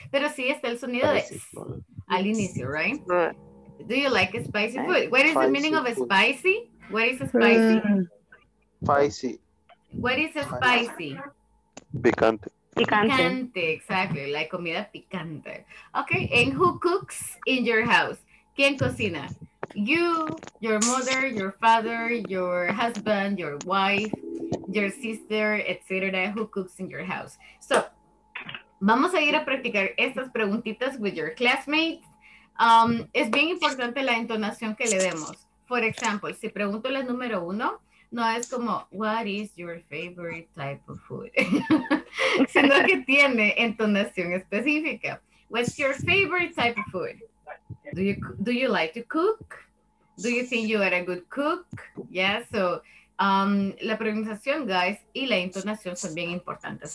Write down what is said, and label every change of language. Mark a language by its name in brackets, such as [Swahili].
[Spanish] Pero sí está el sonido spicy de food al inicio, right? [English] Do you like spicy food? What is spicy the meaning of a spicy? What is a spicy? Spicy. What is a spicy? [Spanish] Picante. Picante. [English] Picante, exactly. Like comida picante. Okay, and who cooks in your house? [Spanish] ¿Quién cocina? [English] You, your mother, your father, your husband, your wife, your sister, etc. Who cooks in your house? So, [Spanish] vamos a ir a practicar estas preguntitas [English] with your classmates. [Spanish] Es bien importante la entonación que le demos. [English] For example, [Spanish] si pregunto la número uno, no es como, [English] what is your favorite type of food? [Spanish] Sino que tiene entonación específica. [English] What's your favorite type of food? Do you like to cook? Do you think you are a good cook? [Spanish] Yeah, so la pronunciación, guys, y la entonación son bien importantes.